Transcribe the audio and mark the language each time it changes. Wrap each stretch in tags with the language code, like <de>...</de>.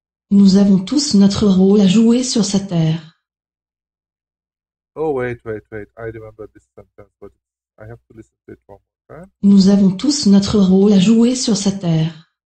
<fr>Nous avons tous notre rôle à jouer sur cette terre.</fr> <en>Oh, wait. I remember this sentence, but I have to listen to it one more time.</en> <fr>Nous avons tous notre rôle à jouer sur cette terre.</fr>